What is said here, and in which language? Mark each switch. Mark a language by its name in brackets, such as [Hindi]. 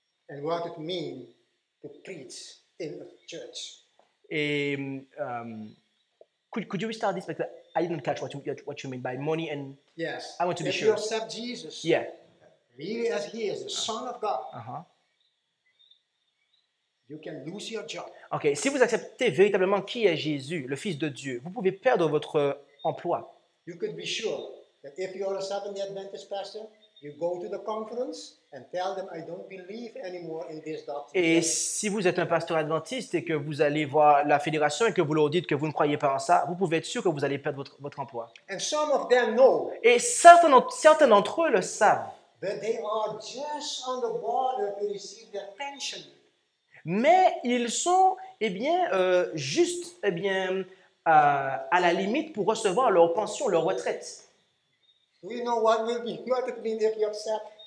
[English] And what it means to preach in a church? Et could you restart this? Because I didn't catch what you mean by money and yes. I want to if be sure. You accept Jesus. Yeah. Really, as he is the Son of God. Uh-huh. You can lose your job. [French] OK, si vous acceptez véritablement qui est Jésus, le Fils de Dieu, vous pouvez perdre votre emploi. [English] You could be sure that if you are a Seventh-day Adventist pastor, you go to the conference and tell them I don't believe anymore in this doctrine. [French] Et si vous êtes un pasteur adventiste et que vous allez voir la fédération et que vous leur dites que vous ne croyez pas en ça, vous pouvez être sûr que vous allez perdre votre emploi. [English] And some of them know. [French] Et certains d'entre eux le savent. [English] But they are just on the border to receive their pension. [French] Mais ils sont, eh bien, juste, eh bien, à la limite pour recevoir leur pension, leur retraite. [English] Do you know what will be what it means if you accept?